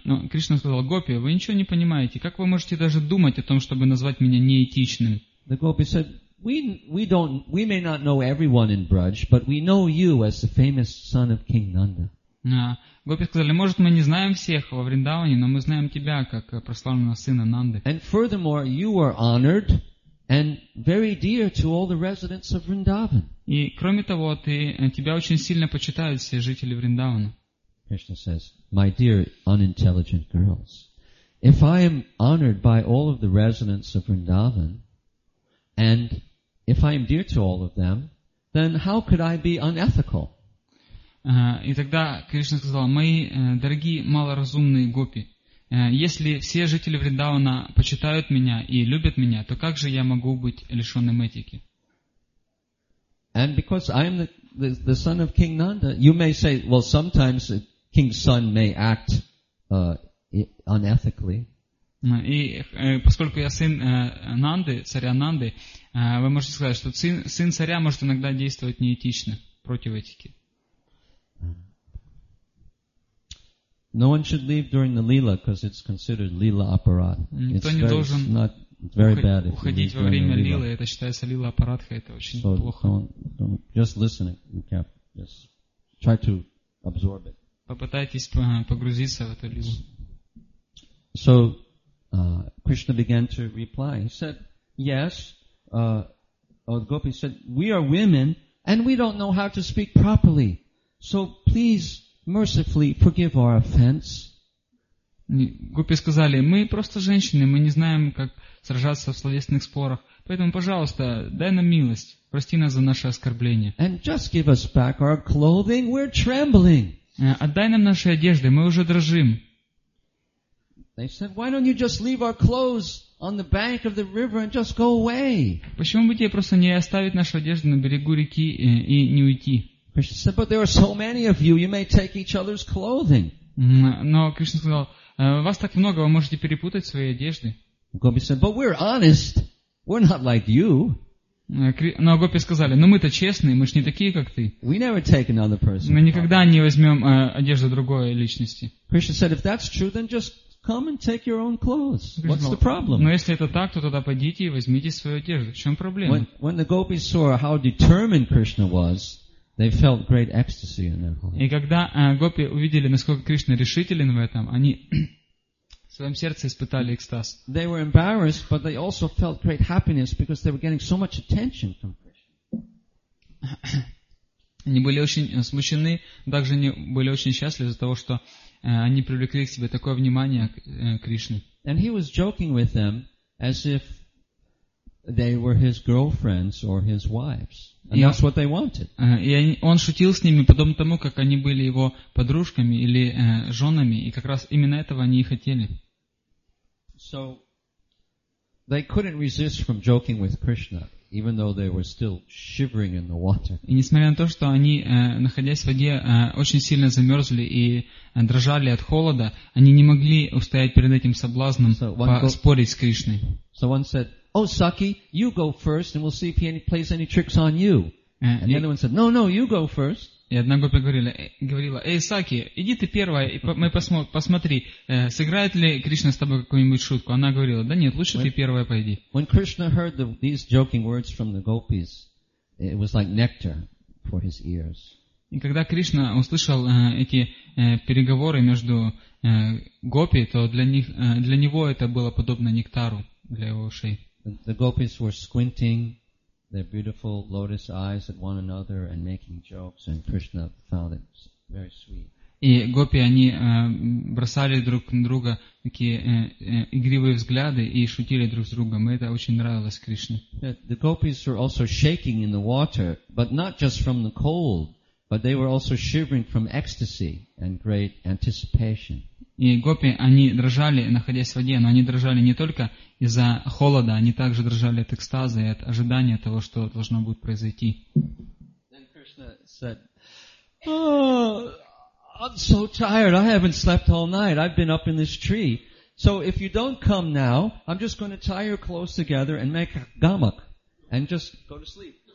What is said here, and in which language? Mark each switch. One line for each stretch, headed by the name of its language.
Russian: Кришна сказал: "Гопи, вы ничего не понимаете. Как вы можете даже думать о том, чтобы назвать меня неэтичным?"
English: The gopi said, We may not know everyone in Braj, but we know you as the famous son of King Nanda."
Russian: Гопи сказали: "Может, мы не знаем всех во Вриндаване, но мы знаем тебя как прославленного сына Нанды."
English: "And furthermore, you are honored and very dear to all the residents of Vrindavan."
Russian: И кроме того, тебя очень сильно почитают все жители Вриндавана.
English: Krishna says, "My dear unintelligent girls, if I am honored by all of the residents of Vrindavan, and if I am dear to all of them, then how could I be unethical?"
Russian: И тогда Кришна сказал: "Мои дорогие малоразумные гопи, если все жители Вриндавана почитают меня и любят меня, то как же я могу быть лишенным этики?"
English: "And because I am the son of King Nanda, you may say, well, sometimes a king's son may act unethically."
Russian: И поскольку я сын Нанды, царя Нанды, вы можете сказать, что сын царя может иногда действовать неэтично, против этики.
English: No one should leave during the lила, because it's considered lila aparad.
Russian: Никто не должен уходить во время лилы, это считается лила апарадха, это очень плохо.
English: Just listen, just try to absorb it.
Russian: Попытайтесь погрузиться в эту лилу.
English: So Krishna began to reply. He said, "Yes, Gopi said, we are women and we don't know how to speak properly. So please mercifully forgive our offense."
Russian: Гопи сказали, мы просто женщины, мы не знаем, как сражаться в словесных спорах. Поэтому, пожалуйста, дай нам милость, прости нас за наше оскорбление.
English: And just give us back our clothing, we're trembling.
Russian: Отдай нам наши одежды, мы уже дрожим.
English: They said, why don't you just leave our clothes on the bank of the river and just go away?
Russian: Почему бы тебе просто не оставить нашу одежду на берегу реки и не уйти?
English: Krishna said, but there are so many of you, you may take each other's clothing.
Russian: Но Кришна сказал, вас так много, вы можете перепутать свои одежды.
English: Gopi said, but we're honest. We're not like you.
Russian: Но Гопи сказали, ну мы-то честные, мы ж не такие, как ты.
English: We never take another person.
Russian: Мы никогда не возьмем одежду другой личности.
English: Krishna said, if that's true, then just come and take your own clothes. What's the problem?
Russian: Но если это так, то тогда пойдите и возьмите свою одежду. В чем проблема?
English: When the gopis saw how determined Krishna was, they felt great ecstasy in their hearts.
Russian: И когда гопи увидели, насколько Кришна решителен в этом, они в своем сердце испытали экстаз.
English: They were embarrassed, but they also felt great happiness because they were getting so much attention from Krishna.
Russian: Они были очень смущены, также они были очень счастливы из-за того, что они привлекли к себе такое внимание к Кришне.
English: And he was joking with them as if they were his girlfriends or his wives. And that's what they wanted.
Russian: И он шутил с ними, подобно тому, как они были его подружками или женами, и как раз именно этого они и хотели.
English: So they couldn't resist from joking with Krishna, even though they were still shivering in the water.
Russian: И несмотря на то, что они, находясь в воде, очень сильно замерзли и дрожали от холода, они не могли устоять перед этим соблазном поспорить с Кришной.
English: So one said, oh, Saki, you go first, and we'll see if he plays any tricks on you. And the other one said, no, no, you go first.
Russian: И одна гопи говорила, эй, Саки, иди ты первая, и мы посмотри, сыграет ли Кришна с тобой какую-нибудь шутку. Она говорила, да нет, лучше ты первая пойди.
English: When Krishna heard these joking words from the gopis, it was like nectar for his ears.
Russian: И когда Кришна услышал эти переговоры между гопи, то для него это было подобно нектару для его ушей.
English: The gopis were squinting their beautiful lotus eyes at one another and making jokes, and Krishna found it very sweet.
Russian: И гопи они бросали друг на друга такие игривые взгляды и шутили друг с другом. Это очень нравилось Кришне.
English: The gopis were also shaking in the water, but not just from the cold, but they were also shivering from ecstasy and great anticipation.
Russian: И гопи, они дрожали, находясь в воде, но они дрожали не только из-за холода, они также дрожали от экстаза и от ожидания того, что должно будет произойти.
English: Then Krishna said, oh, I'm so tired, I haven't slept all night, I've been up in this tree. So if you don't come now, I'm just going to tie your clothes together and make a gamak and just go to sleep.